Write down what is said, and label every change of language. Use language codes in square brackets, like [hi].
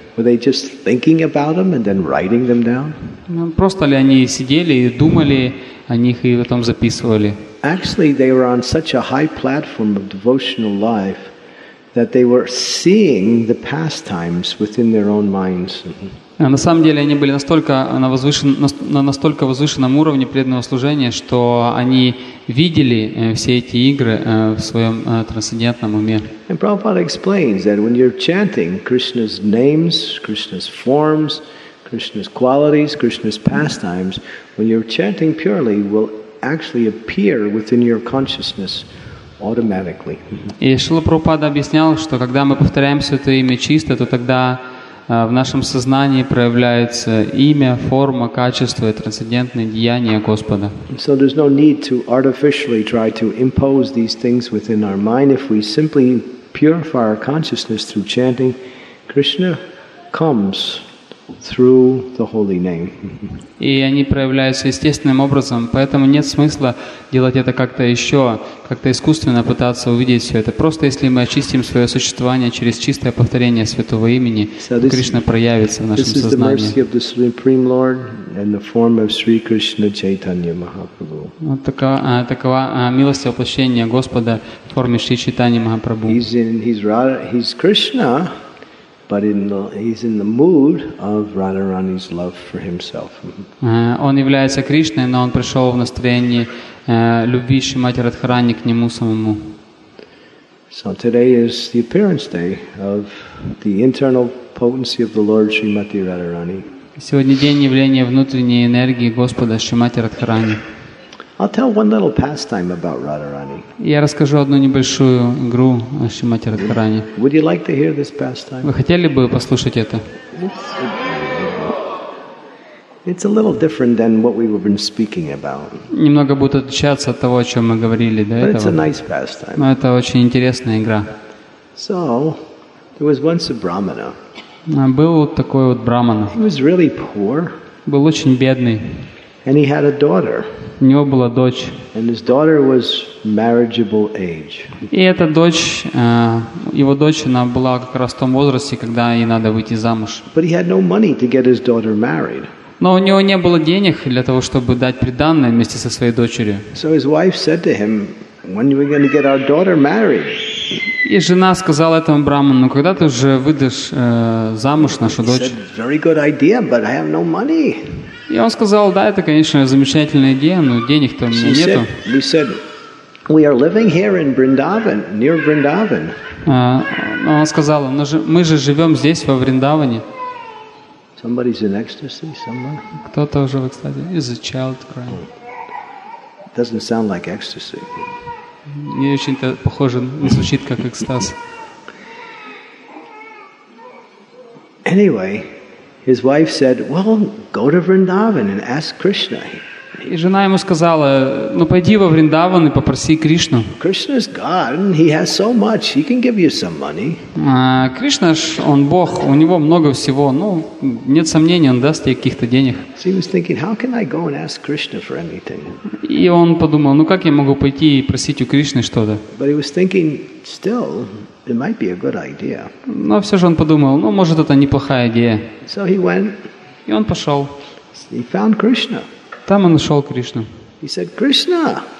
[en] Were they just thinking about them and then writing them down? [ru] Просто ли они сидели и думали о них и потом записывали? [en] Actually, they were on such a high platform of devotional life that they were seeing the pastimes within their own minds. [ru] На самом деле они были настолько на настолько возвышенном уровне преданного служения, что они видели все эти игры в своем трансцендентном уме. [en] And Prabhupada explains that when you're chanting Krishna's names, Krishna's forms, Krishna's qualities, Krishna's pastimes, when you're chanting purely, will actually appear within your consciousness. Automatically. [ru] И Шрила Прабхупада объяснял, что когда мы повторяем Святое Имя чисто, то тогда в нашем сознании проявляется имя, форма, качество и трансцендентные деяния Господа. [en] So there's no need to artificially try to impose these things within our mind. If we simply purify our consciousness through chanting, Krishna comes through the holy name. [ru] И они проявляются естественным образом, поэтому нет смысла делать это как-то еще, как-то искусственно пытаться увидеть все это. Просто если мы очистим свое существование через чистое повторение Святого Имени, то Кришна проявится в нашем сознании. [en] This is the mercy of the Supreme Lord in the form of Sri Krishna Chaitanya Mahaprabhu. [ru] Вот такова милость воплощения Господа в форме Шри Чайтаньи Махапрабху. [en] He's Krishna. But he's in the mood of Radharani's love for himself. [ru] Он является Кришной, но он пришел в настроении любви Шримати Радхарани к нему самому. [en] So today is the appearance day of the internal potency of the Lord Shrimati Radharani. [ru] Сегодня день явления внутренней энергии Господа Шримати Радхарани. [en] I'll tell one little pastime about Radharani. [ru] Я расскажу одну небольшую игру о Шримати Радхарани. [en] Would you like to hear this pastime? [ru] Вы хотели бы послушать это? [en] It's a little different than what we've been speaking about. [ru] Немного будет отличаться от того, о чем мы говорили до этого. [en] But it's a nice pastime. [ru] Но это очень интересная игра. [en] So, there was once a brahmana. [ru] Был вот такой вот брахмана. [en] He was really poor. [ru] Был очень бедный. [en] And he had a daughter. [ru] У него была дочь. [en] And his daughter was marriageable age. [ru] И эта дочь, его дочь, она была как раз в том возрасте, когда ей надо выйти замуж. [en] But he had no money to get his daughter married. [ru] Но у него не было денег для того, чтобы дать приданое вместе со своей дочерью. [en] So his wife said to him, "When are we going to get our daughter married?" [ru] И жена сказала этому брахману, когда ты же выдашь замуж нашу дочь? [en] He said, "Very good idea, but I have no money." [ru] И он сказал, да, это, конечно, замечательная идея, но денег-то у меня нету. [en] He said, we are living here in Vrindavan, near Vrindavan. [ru] Он сказал, мы же живем здесь, во Вриндаване. [en] Somebody's in ecstasy, someone. [ru] Кто-то уже в экстазе. [en] Is a child crying. Doesn't sound like ecstasy. [ru] Не очень-то похоже, не звучит как экстаз. [en] Anyway, his wife said, "Well, go to Vrindavan and ask Krishna. [ru] И жена ему сказала: "Ну пойди во Вриндаван и попроси Кришну". [en] Krishna is God and he has so much. He can give you some money. [ru] Кришна ж он Бог, у него много всего. Ну, нет сомнений, он даст тебе каких-то денег. [en] He was thinking, how can I go and ask Krishna for anything? [ru] И он подумал: "Ну как я могу пойти и просить у Кришны что-то?" [en] But he was thinking still it might be a good idea. [ru] Но всё же он подумал: "Ну может это неплохая идея". [en] So he went. [ru] И он пошёл. [en] He found Krishna. [ru] Там он нашел Кришну. [en] He said, Krishna.